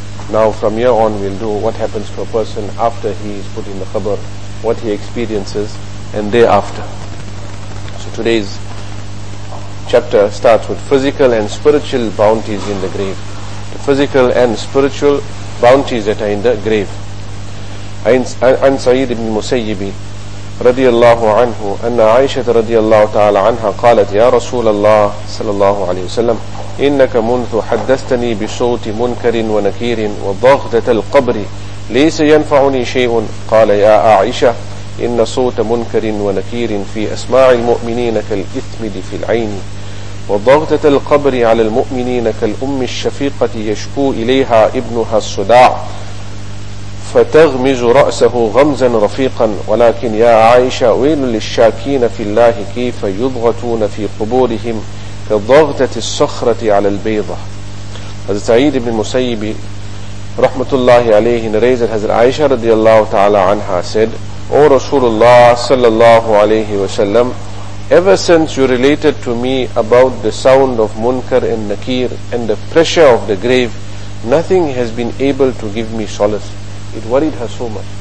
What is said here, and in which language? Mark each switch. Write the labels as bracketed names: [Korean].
[English] Now from here on we'll do what happens to a person after he is put in the qabr, what he experiences, and thereafter. So today's chapter starts with physical and spiritual bounties in the grave. The physical and spiritual bounties that are in the grave. [Arabic] عن سعيد بن المسيب رضي الله عنه أن عائشة رضي الله تعالى عنها قالت يا رسول الله صلى الله عليه وسلم إنك منذ حدثتني بصوت منكر ونكير وضغطة القبر ليس ينفعني شيء قال يا عائشة إن صوت منكر ونكير في أسماع المؤمنين كالإثمد في العين وضغطة القبر على المؤمنين كالأم الشفيقة يشكو إليها ابنها الصداع فتغمز رأسه غمزا رفيقا ولكن يا عائشة ويل للشاكين في الله كيف يضغطون في قبورهم كضغطة الصخرة على البيضة. [English] حضرت سعيد بن مسيب رحمة الله عليه نريزل حضرت عائشة رضي الله تعالى عنها said, O Rasulullah صلى الله عليه وسلم, ever since you related to me about the sound of Munkar and Nakir and the pressure of the grave, nothing has been able to give me solace. It worried her so much.